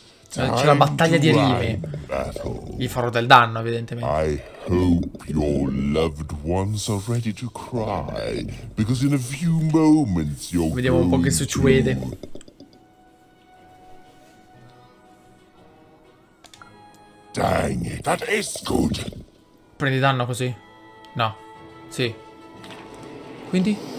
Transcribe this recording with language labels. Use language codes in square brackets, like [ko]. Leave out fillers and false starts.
[it] C'è la battaglia di rime. Gli farò del danno, evidentemente. [en] I hope your loved ones are ready to cry, because in a few moments you're. [it] Vediamo un po' che succede. [en] Dang it, that is good. [it] Prendi danno così? No. Sì. Quindi?